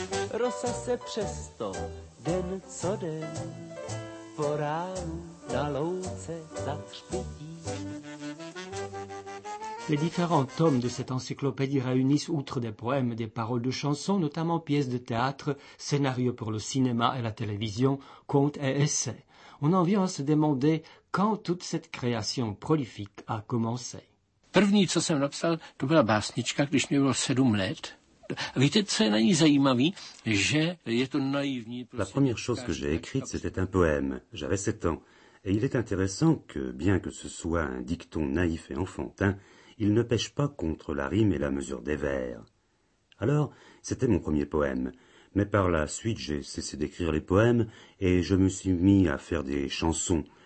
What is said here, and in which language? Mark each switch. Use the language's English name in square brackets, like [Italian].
[Czech] Rosa se přesto den co den po ránu na louce zatřpití. [French] Les différents tomes de cette encyclopédie réunissent, outre des poèmes et des paroles de chansons, notamment pièces de théâtre, scénarios pour le cinéma et la télévision, contes et essais. On en vient à se demander quand toute cette création prolifique a commencé. [Czech] První, co jsem napsal, to byla básnička, když mi bylo 7 let. Víte, co je na ní zajímavé, že je to naivní. [French] La première chose que j'ai écrite, c'était un poème. J'avais 7 ans. Et il est intéressant que, bien que ce soit un dicton naïf et enfantin, il ne pêche pas contre la rime et la mesure des vers. Alors, c'était mon premier poème. Mais par la suite, j'ai cessé d'écrire les poèmes et je me suis mis à faire des chansons.